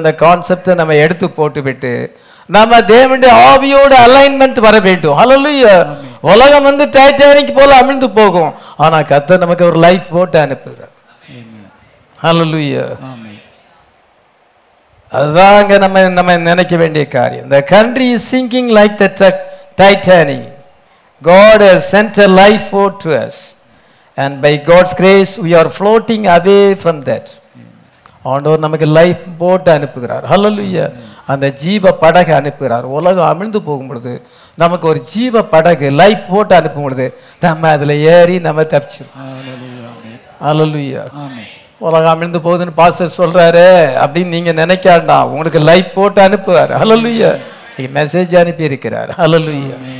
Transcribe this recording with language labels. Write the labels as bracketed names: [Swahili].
[Tamil] அந்த கான்செப்டை நம்ம எடுத்து போட்டு விட்டு நம்ம தேவனுடைய ஆவியோடு அலைன்மெண்ட் வர வேண்டும். ஹல்லேலூயா. உலகம் வந்து டைட்டானிக் போல அமிழ்ந்து போகும், ஆனா கர்த்தர் நமக்கு ஒரு லைஃப் போட்டு அனுப்புகிறார். ஹல்லேலூயா. அதுதான் நம்ம நம்ம நினைக்க வேண்டிய காரியம். [English] The country is sinking like the Titanic. God has sent a life boat to us, and by God's grace we are floating away from that. [Tamil] ஆண்டவர் நமக்கு life boat அனுப்புகிறார். Hallelujah. அந்த ஜீவ படகு அனுப்புகிறார். உலகம் அமிழ்ந்து போகும் பொழுது நமக்கு ஒரு ஜீவ படகு life boat அனுப்பும் பொழுது நம்ம அதுல ஏறி நம்ம தப்பிச்சிடும். Hallelujah. உலகம் அமிழ்ந்து போகுதுன்னு பாஸ்டர் சொல்றாரு அப்படின்னு நீங்க நினைக்காண்டா, உங்களுக்கு life boat அனுப்புவார். Hallelujah. மெசேஜ் அனுப்பி இருக்கிறார். Hallelujah.